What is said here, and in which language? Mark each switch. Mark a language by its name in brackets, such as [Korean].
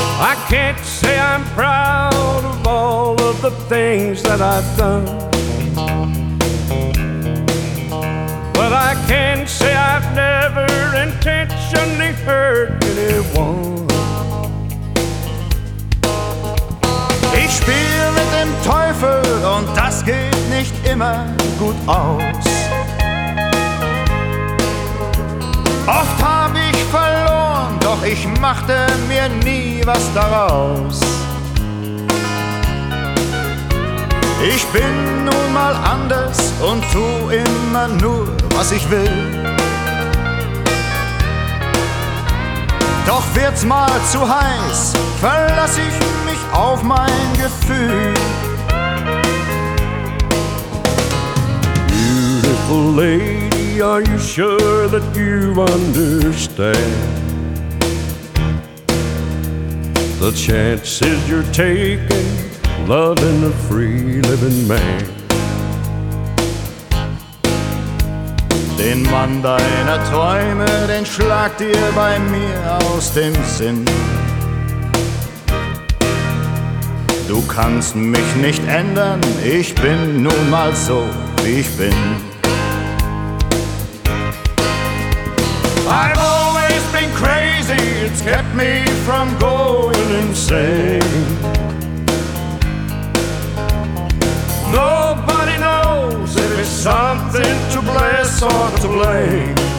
[English] I can't say I'm proud of all of the things that I've done, but I can say I've never intentionally hurt anyone. [German] Ich spiel mit dem Teufel und das geht nicht immer gut aus. Oft hab ich verloren, doch ich machte mir nie was daraus. Ich bin nun mal anders und tu immer nur, was ich will. Doch wird's mal zu heiß, verlass ich mich auf mein Gefühl. [English] Beautiful lady, are you sure that you understand? The chances you're taking, loving a free living man. [German] Den Mann deiner Träume, den schlag dir bei mir aus dem Sinn. Du kannst mich nicht ändern, ich bin nun mal so, wie ich bin. [English] I've always been crazy, it's kept me from going insane. Nobody knows if it's something to bless or to blame.